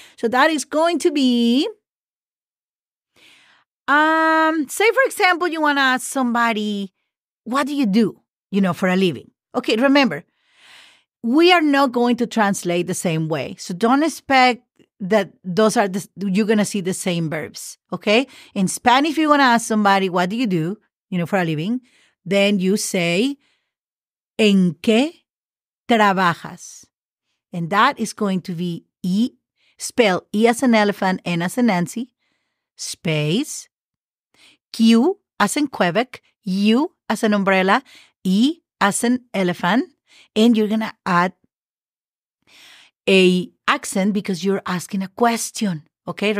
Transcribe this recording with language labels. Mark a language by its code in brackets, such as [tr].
[en] So that is going to be, say, for example, you want to ask somebody, what do you do, you know, for a living? Okay, remember, we are not going to translate the same way. So don't expect that those are, you're going to see the same verbs, okay? In Spanish, if you want to ask somebody, what do, you know, for a living? Then you say, [es] ¿en qué trabajas? [en] And that is going to be E, spell E as an elephant, N as a Nancy, space, Q as in Quebec, U as an umbrella, E as an elephant, and you're going to add a accent because you're asking a question, okay?